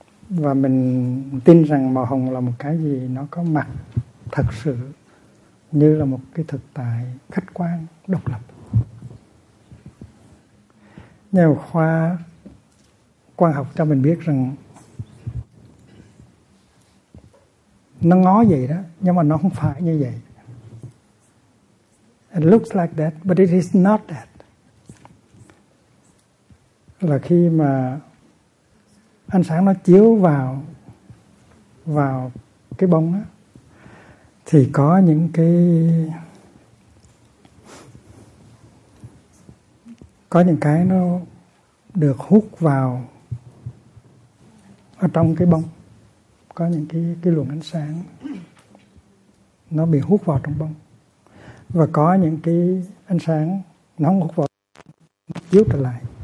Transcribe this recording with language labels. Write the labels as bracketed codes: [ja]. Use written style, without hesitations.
[vi] và mình tin rằng màu hồng là một cái gì nó có mặt thật sự như là một cái thực tại khách quan độc lập. Nhà khoa quan học cho mình biết rằng nó ngó vậy đó, nhưng mà nó không phải như vậy. [en] It looks like that, but it is not that. [vi] Là khi mà ánh sáng nó chiếu vào cái bông á, thì có những cái nó được hút vào ở trong cái bông, có những cái luồng ánh sáng nó bị hút vào trong bông, và có những cái ánh sáng nó không hút vào, nó chiếu trở lại.